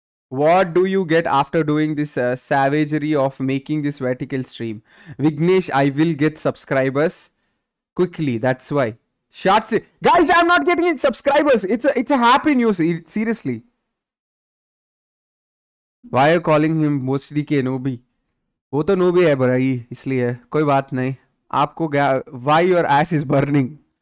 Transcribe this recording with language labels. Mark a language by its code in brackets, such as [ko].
[en] What do you get after doing this savagery of making this vertical stream? Vignesh, I will get subscribers quickly. That's why. Shots. Guys, I'm not getting any subscribers. It's a happy news. Seriously. Why are you calling him mostly K Nobi? [hi] वो तो नोबी है भाई। इसलिए। कोई बात नहीं। [en] Aapko why your ass is burning?